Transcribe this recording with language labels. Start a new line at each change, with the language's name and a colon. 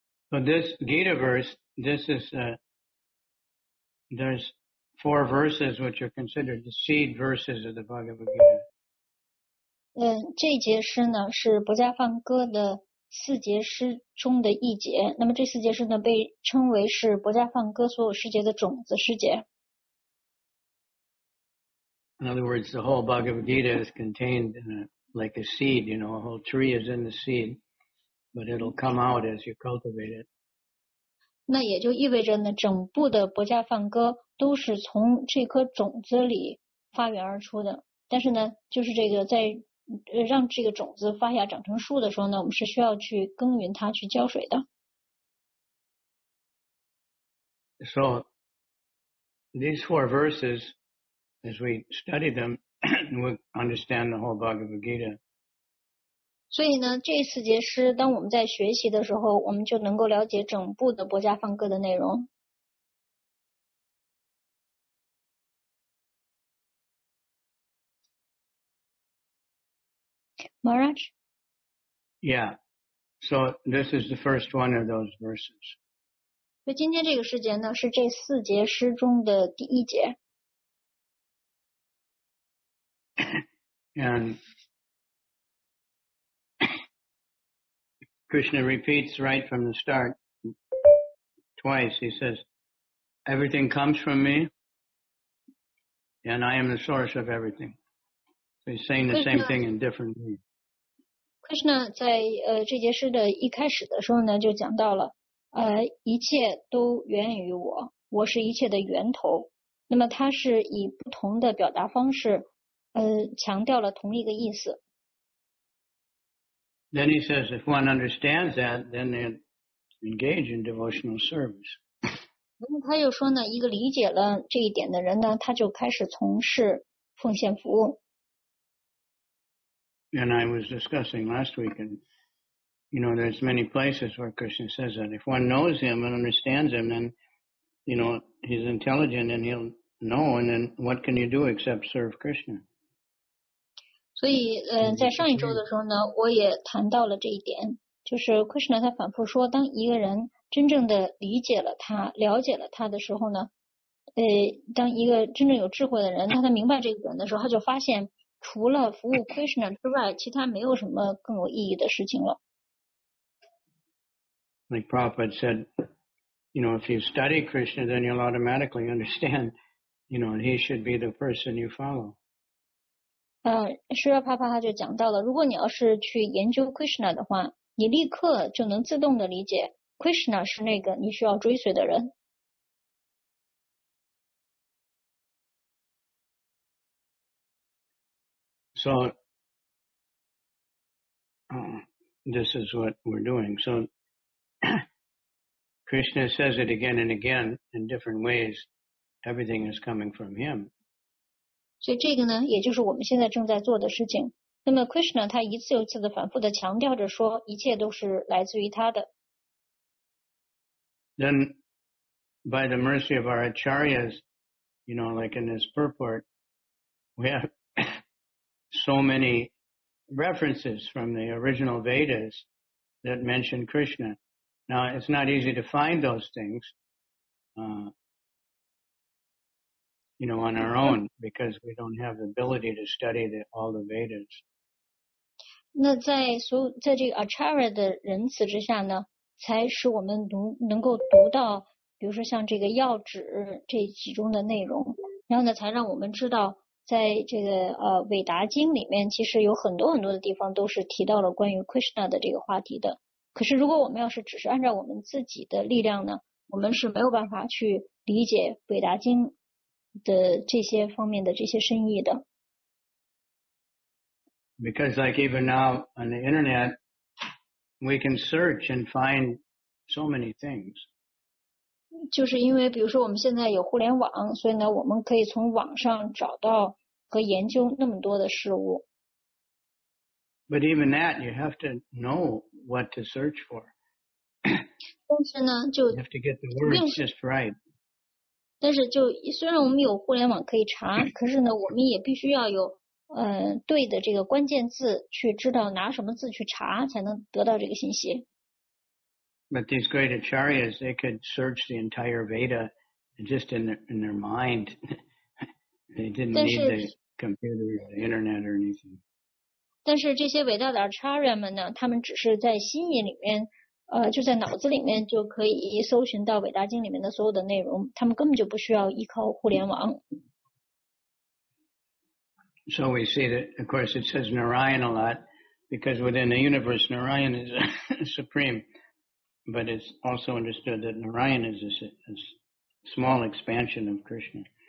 English: So this Gita verse, this is there's four verses which are considered the seed verses of the Bhagavad Gita.
Chinese: 这节诗呢是薄伽梵歌的四节诗中的一节，那么这四节诗呢被称为是薄伽梵歌所有诗节的种子诗节。
English: In other words, the whole Bhagavad Gita is contained in a, like a seed, you know, a whole tree is in the seed, but it'll come out as you cultivate it.
Chinese: 那也就意味着呢，整部的薄伽梵歌都是从这颗种子里发源而出的，但是呢，就是这个在让这个种子发芽长成树的时候呢，我们是需要去耕耘它，去浇水的。
English: So, these four verses, as we study them, we understand the whole Bhagavad Gita.
Chinese: 所以呢，这四节诗，当我们在学习的时候，我们就能够了解整部的薄伽梵歌的内容。
English: Maharaj? Yeah. So this is the first one of those verses.
Chinese: 所以今天这个诗节呢是这四节诗中的第一节。
English: And Krishna repeats right from the start twice. He says, everything comes from me and I am the source of everything. So he's saying the same thing in different ways.
Chinese: 但是呢，在这节诗的一开始的时候呢，就讲到了，一切都源于我，我是一切的源头。那么它是以不同的表达方式，强调了同一个意思。
English: Then he says, if one understands that, then they engage in devotional service.
Chinese: 那么他又说呢，一个理解了这一点的人呢，他就开始从事奉献服务。
English: And I was discussing last week, and you know, there's many places where Krishna says that if one knows him and understands him, then you know, he's intelligent and he'll know, and then what can you do except serve Krishna?
Chinese: 所以，在上一周的时候呢，我也谈到了这一点，就是 Krishna 他反复说，当一个人真正的理解了他、了解了他的时候呢，当一个真正有智慧的人，当他明白这个人的时候，他就发现。除了服务 Krishna 之外，其他没有什么更有意义的事情了。
English: Like Prabhupada said, you know, if you study Krishna, then you'll automatically understand, you know, he should be the person you follow.
Chinese: 师父帕帕他就讲到了，如果你要是去研究 Krishna 的话，你立刻就能自动的理解 Krishna 是那个你需要追随的人。
English: So, this is what we're doing. So, Krishna says it again and again in different ways. Everything is coming from him.
Chinese: 所以这个呢，也就是我们现在正在做的事情。那么 Krishna 他一次又一次的反复的强调着说，一切都是来自于他的。
English: Then, by the mercy of our acharyas, you know, like in this purport, we have. So many references from the original Vedas that mention Krishna. Now, it's not easy to find those things, you know, on our own because we don't have the ability to study all the Vedas.
Chinese: 那在这个 Acharya 的仁慈之下呢，才使我们能够读到，比如说像这个药旨这其中的内容，然后呢，才让我们知道。在这个伟达经里面，其实有很多很多的地方都是提到了关于 Krishna 的这个话题的。可是如果我们要是只是按照我们自己的力量呢，我们是没有办法去理解北达经的这些方面的这些深意的。
English: Because like even now on the internet, we can search and find so many things.
Chinese: 就是因为比如说我们现在有互联网，所以呢我们可以从网上找到和研究那么多的事物。
English: But even that, you have to know what to search for.
Chinese: 但是呢就
English: you have to get the words just right.
Chinese: 但是就虽然我们有互联网可以查，可是呢我们也必须要有对的这个关键字，去知道拿什么字去查才能得到这个信息。
English: But these great acharyas, they could search the entire Veda just in their mind. They didn't need the computer or the internet or anything.
Chinese: 但是这些伟大的 acharya 们呢，他们只是在心意里面，就在脑子里面就可以搜寻到伟大经里面的所有的内容，他们根本就不需要依靠互联网。
English: So we see that, of course, it says Narayan a lot, because within the universe, Narayan is supreme. But it's also understood that Narayan is a small expansion of Krishna.